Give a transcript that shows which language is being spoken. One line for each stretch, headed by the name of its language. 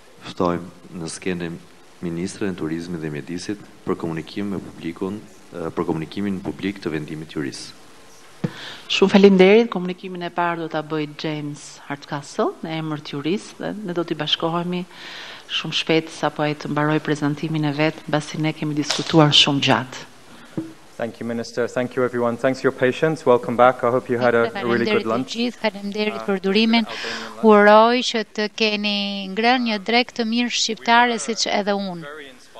Albanian: Ftojmë në skenën Ministrën e Turizmit dhe Mjedisit për komunikim me publikun, për komunikimin publik të vendimit juris. Shumë faleminderit, komunikimin e parë do ta bëj James Hardcastle në emër të juris dhe ne do t'i bashkohemi shumë shpejt sapo ai të mbaroj prezantimin e vet, mbasi ne kemi diskutuar shumë gjatë.
English: Thank you, Minister. Thank you, everyone. Thanks for your patience. Welcome back. I hope you had a really good lunch.
Albanian: Gjithë, faleminderit për durimin. Uroj që të keni ngrënë një drekë të mirë shqiptare siç edhe unë.